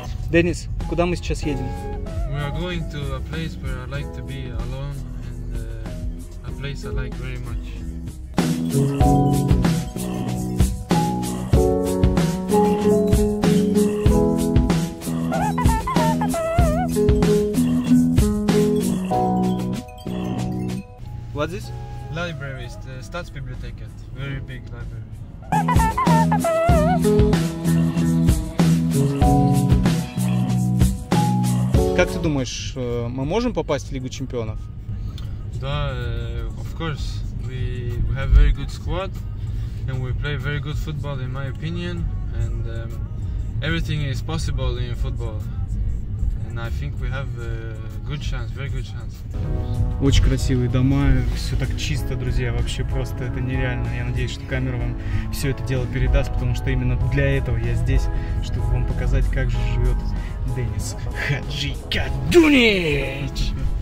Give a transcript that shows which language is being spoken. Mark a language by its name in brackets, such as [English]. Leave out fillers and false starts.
[Russian] Денис, куда мы сейчас едем? [English] We are going to a place where I like to be alone and a place I like very much. What's this? Library, it's the Staatsbibliothek, very big library. [Russian] Как ты думаешь, мы можем попасть в Лигу чемпионов? [English] Да, of course. We have very good squad and we play very good football in my opinion and everything is possible in football. And I think we have a good chance, very good chance. [Russian] Очень красивые дома, все так чисто, друзья, вообще просто это нереально. Я надеюсь, что камера вам все это дело передаст, потому что именно для этого я здесь, чтобы вам показать, как же живет Денис Хачкадунич.